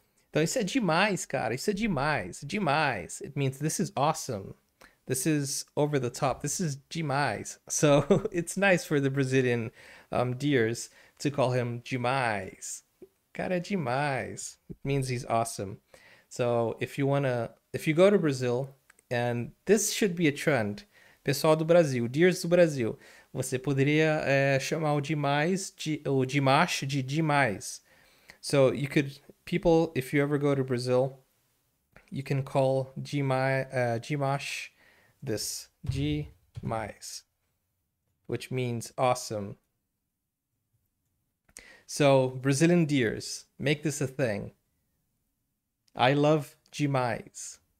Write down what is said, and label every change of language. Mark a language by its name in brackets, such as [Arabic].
[Portuguese] Então isso é demais, cara, isso é demais, demais. [English] It means this is awesome, this is over the top, this is demais. So it's nice for the Brazilian dears to call him [Portuguese] demais, cara, demais. [English] It means he's awesome. So if you go to Brazil. And this should be a trend. [Portuguese] Pessoal do Brasil, [English] Dears do Brasil. [Portuguese] Você poderia chamar o demais de o Dimash de demais. [English] So you could people if you ever go to Brazil, you can call Dimash this Dimash, which means awesome. So Brazilian Dears, make this a thing. I love Dimash.